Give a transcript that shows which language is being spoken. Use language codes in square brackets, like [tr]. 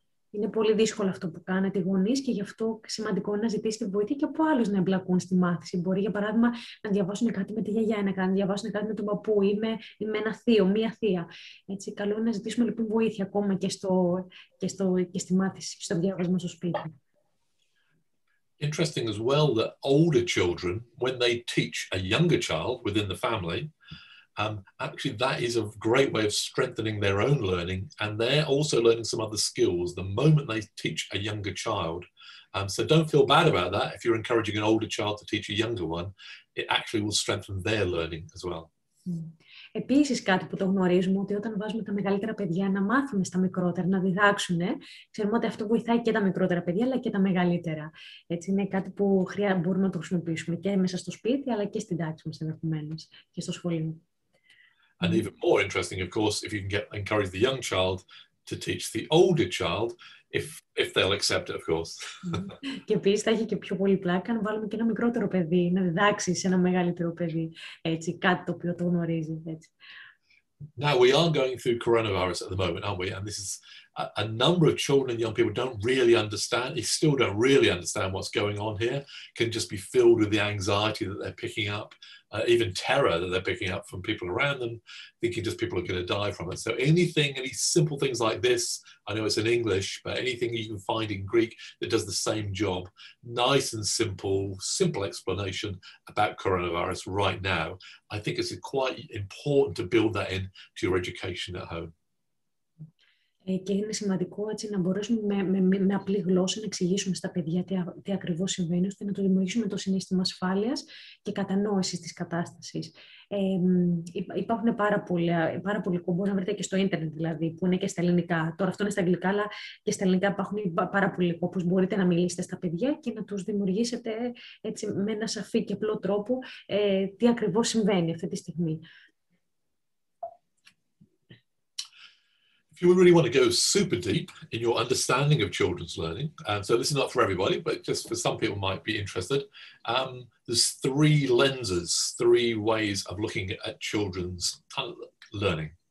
[el] Είναι πολύ δύσκολο αυτό που κάνετε οι γονείς και γι' αυτό σημαντικό είναι να ζητήσετε βοήθεια και από άλλους να εμπλακούν στη μάθηση. Μπορεί, για παράδειγμα, να διαβάσουν κάτι με τη γιαγιά, να διαβάσουν κάτι με τον παππού ή με ένα θείο, μία θεία. Έτσι, καλό είναι να ζητήσουμε λοιπόν βοήθεια ακόμα και στη μάθηση, στο διάβασμα στο σπίτι. [en] Interesting as well that older children, when they teach a younger child within the family, actually, that is a great way of strengthening their own learning, and they're also learning some other skills the moment they teach a younger child. So don't feel bad about that. If you're encouraging an older child to teach a younger one, it actually will strengthen their learning as well. [el] Επίσης, κάτι που το γνωρίζουμε, ότι όταν βάζουμε τα μεγαλύτερα παιδιά να μάθουν στα μικρότερα, να διδάξουν, ξέρουμε ότι αυτό βοηθάει και τα μικρότερα παιδιά, αλλά και τα μεγαλύτερα. Έτσι, είναι κάτι που μπορούμε να το χρησιμοποιήσουμε και μέσα στο σπίτι, αλλά και στην τάξη μας ενδεχομένως και στο σχολείο. [en] And even more interesting, of course, if you can get encourage the young child to teach the older child, if they'll accept it, of course. [el] Και επίσης θα έχει και πιο πολύ πλάκα να βάλουμε και ένα μικρότερο παιδί, να διδάξει σε ένα μεγαλύτερο παιδί, έτσι, κάτι το οποίο το γνωρίζει, έτσι. [en] Now, we are going through coronavirus at the moment, aren't we? And this is a number of children and young people don't really understand, they still don't really understand what's going on here, can just be filled with the anxiety that they're picking up, even terror that they're picking up from people around them, thinking just people are going to die from it. So anything, any simple things like this, I know it's in English, but anything you can find in Greek that does the same job, nice and simple explanation about coronavirus right now, I think it's quite important to build that in to your education at home. [el] Και είναι σημαντικό έτσι να μπορέσουμε με απλή γλώσσα να εξηγήσουμε στα παιδιά τι ακριβώς συμβαίνει, ώστε να το δημιουργήσουμε το συνέστημα ασφάλειας και κατανόησης της κατάστασης. Υπάρχουν πάρα πολλοί που μπορεί να βρείτε και στο ίντερνετ, δηλαδή, που είναι και στα ελληνικά. Τώρα αυτό είναι στα αγγλικά, αλλά και στα ελληνικά υπάρχουν πάρα πολλοί που μπορείτε να μιλήσετε στα παιδιά και να τους δημιουργήσετε έτσι, με ένα σαφή και απλό τρόπο τι ακριβώς συμβαίνει αυτή τη στιγμή. [en] If you really want to go super deep in your understanding of children's learning, so this is not for everybody, but just for some people might be interested, there's three lenses, three ways of looking at children's learning.